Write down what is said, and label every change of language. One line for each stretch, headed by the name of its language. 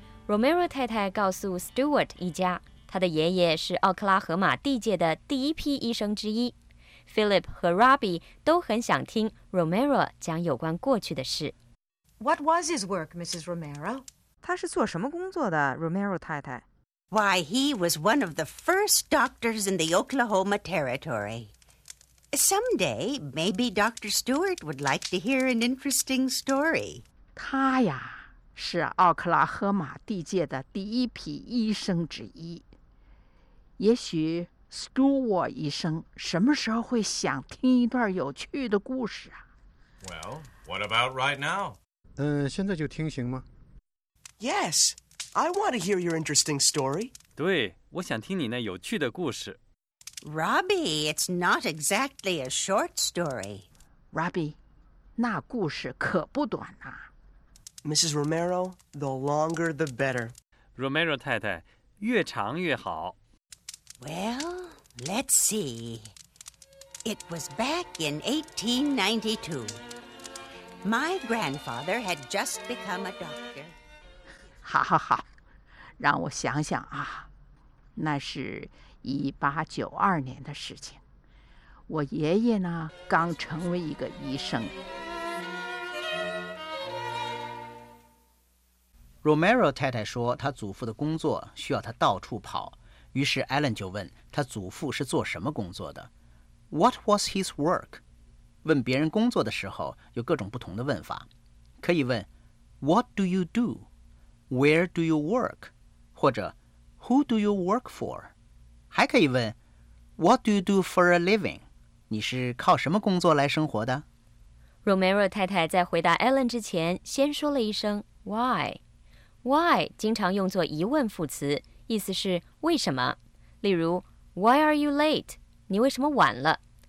Chinese: Romero 太太告诉 Stewart 一家，他的爷爷是奥克拉荷马地界的第一批医生之一。 Philip 和 Robbie 都很想听 Romero 讲有关过去的事。
English: What was his work, Mrs. Romero?
Chinese: 他是做什么工作的， Romero 太太？
English: Why, he was one of the first doctors in the Oklahoma Territory. Someday, maybe Dr. Stewart would like to hear an interesting story.
Chinese: 他呀，是奥克拉荷马地界的第一批医生之一。也许 Stewart 医生什么时候会想听一段有趣的故事啊？
English: Well, what about right now?
Chinese: 现在就听行吗？
English: Yes, I want to hear your interesting story.
Chinese: 对，我想听你那有趣的故事。
English: Robbie, it's not exactly a short story.
Chinese: Robbie, 那故事可不短啊。
English: Mrs. Romero, the longer the better.
Chinese: Romero 太太，越长越好。
English: Well, let's see. It was back in 1892. My grandfather had just become a doctor.
Chinese: 好好好，让我想想啊，那是1892年的事情，我爷爷呢刚成为一个医生。 Romero 太太说，他祖父的工作需要他到处跑，于是 Alan 就问他祖父是做什么工作的。
English: What was his work？
Chinese: 问别人工作的时候有各种不同的问法，可以问
English: What do you do？ Where do you work？
Chinese: 或者
English: Who do you work for？
Chinese: 还可以问
English: What do you do for a living?
Chinese: 你是靠什么工作来生活的？ Romero 太太在回答 Alan 之前先说了一声 Why? Why 经常用作疑问副词，意思是为什么。例如
English: Why are you late?
Chinese: 你为什么晚了？